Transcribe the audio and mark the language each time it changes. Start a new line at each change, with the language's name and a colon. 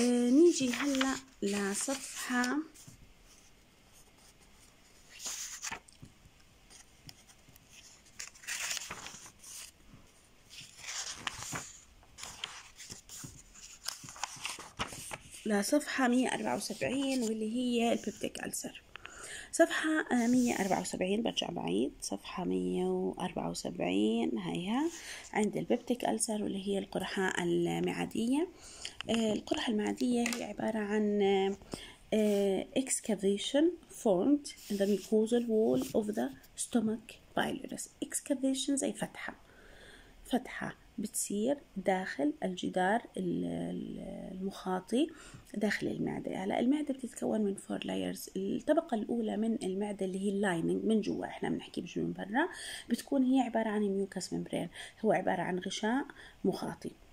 Arabic: نيجي هلأ لصفحة 174 واللي هي البيبتيك ألسر. صفحة 174، برجع بعيد، صفحة 174 هيها عند البيبتيك ألسر واللي هي القرحة المعدية. القرحة المعدية هي عبارة عن
English: excavation formed in the mucosal wall of the stomach bilateral.
Arabic: excavation زي فتحة، فتحة بتصير داخل الجدار المخاطي داخل المعدة. هلا المعدة بتتكون من 4 layers. الطبقة الأولى من المعدة اللي هي اللايننج من جوا، احنا بنحكي بجوا من برا، بتكون هي عبارة عن الميوكس ممبرين، هو عبارة عن غشاء مخاطي.